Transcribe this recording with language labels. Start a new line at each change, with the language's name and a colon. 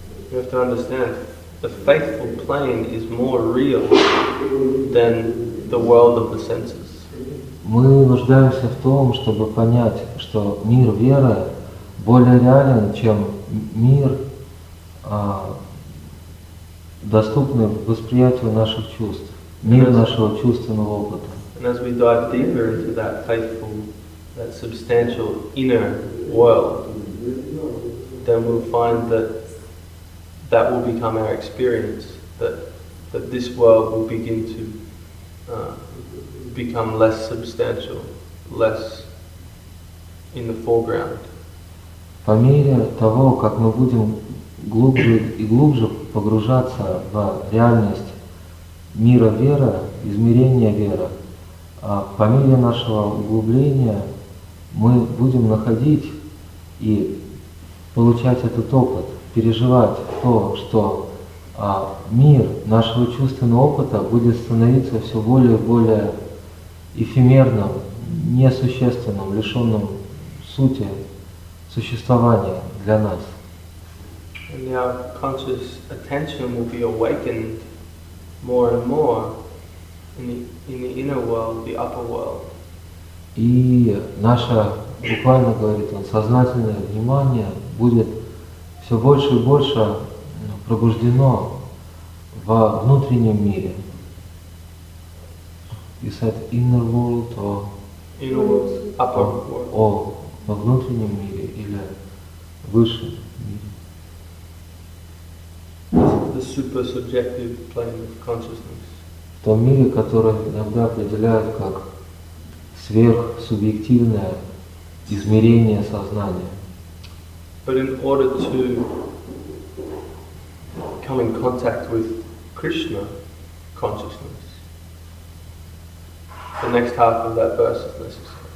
English: You have to understand, the faithful plane is more real than the world of the senses.
Russian: Мы нуждаемся в том, чтобы понять, что мир веры более реален, чем мир, доступный восприятию наших чувств, мир нашего чувственного опыта.
English: And as we dive deeper into that faithful, that substantial inner world, then we'll find that that will become our experience, that that this world will begin to become less substantial, less in the foreground.
Russian: По мере того, как мы будем глубже и глубже погружаться в реальность мира веры, измерения веры, по мере нашего углубления мы будем находить и получать этот опыт, переживать то, что мир нашего чувственного опыта будет становиться все более и более эфемерным, несущественным, лишенным сути существования для нас.
English: And our conscious attention will be awakened more and more in the inner world, the upper world.
Russian: И наше, буквально говорит он, сознательное внимание будет все больше и больше пробуждено во внутреннем мире.
English: You said inner world or inner world, upper world.
Russian: Во внутреннем мире или высшем мире.
English: The super subjective plane of consciousness.
Russian: В том мире, который иногда определяют как сверхсубъективное измерение сознания.
English: But in order to come in contact with Krishna consciousness, the next half of that verse is necessary.